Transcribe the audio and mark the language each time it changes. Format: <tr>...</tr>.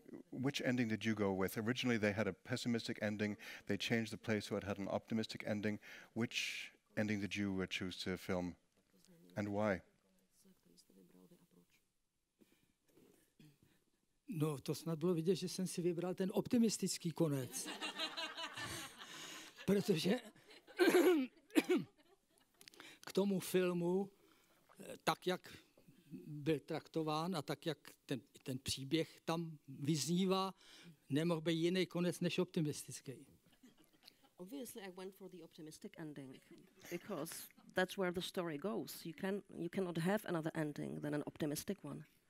<en>Which ending did you go with? Originally they had a pessimistic ending, they changed the play so it had an optimistic ending. Which ending did you choose to film and why?</en> <cs>No, to snad bylo vidět, že jsem si vybral ten optimistický konec. Protože k tomu filmu, tak jak byl traktován a tak jak ten příběh tam vyznívá, nemohl být jiný konec než optimistický.</cs> <en>Obviously I went for the optimistic ending because that's where the story goes. You cannot have another ending than an optimistic one.</en>